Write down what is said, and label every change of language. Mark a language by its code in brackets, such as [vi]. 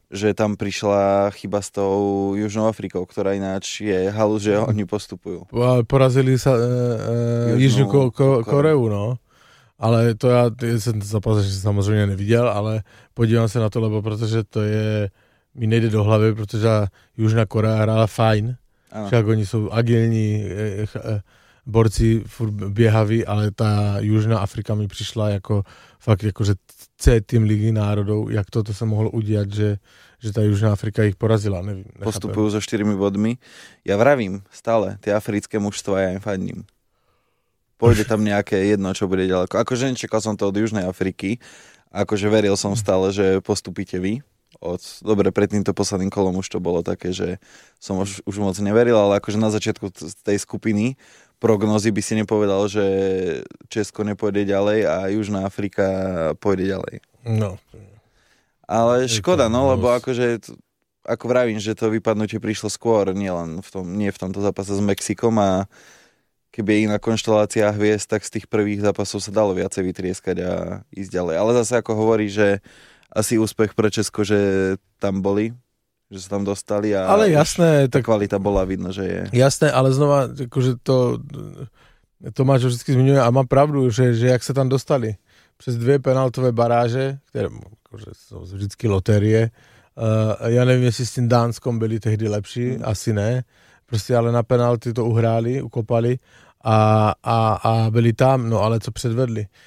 [sk] Že tam prišla chyba s tou Južnou Afrikou, ktorá ináč je halu, že oni postupujú. Porazili sa Južnú Koreu, no. [cs] Ale to já jsem zapasil, že samozřejmě neviděl, ale podívám se na to, lebo protože to je, mi nejde do hlavy, protože Južná Korea hrála fajn, však oni jsou agilní, borci furt běhaví, ale ta Južná Afrika mi přišla jako fakt jako, že celý tým Ligy národů, jak to se mohlo udělat, že ta Južná Afrika jich porazila, nevím. [sk] Nechápem. Postupuju so 4 bodmi, já vravím stále, ty africké mužstva já jim fajním. Pôjde tam nejaké jedno, čo bude ďaleko. Akože nečekal som to od Južnej Afriky. Akože veril som stále, že postupíte vy. Dobre, pred týmto posledným kolom už to bolo také, že som už moc neveril, ale akože na začiatku tej skupiny prognozy by si nepovedal, že Česko nepôjde ďalej a Južná Afrika pôjde ďalej. No. Ale škoda, no, lebo akože... Ako vravím, že to vypadnutie prišlo skôr, nie v tomto zápase s Mexikom a... Keby je iná konštelácia hviezd, tak z tých prvých zápasov sa dalo viacej vytrieskať a ísť ďalej. Ale zase ako hovorí, že asi úspech pre Česko, že tam boli, že sa tam dostali a ale jasné, tá kvalita bola vidno, že je. Jasné, ale znova, akože to Tomáš vždy zmiňuje a má pravdu, že jak sa tam dostali. Přes dve penaltové baráže, ktoré akože sú vždycky lotérie. Ja neviem, jestli s tým Dánskom [cs] byli tehdy [sk] lepší, asi ne. [cs] Prostě ale na penalty to uhráli, ukopali a byli tam, no ale co předvedli.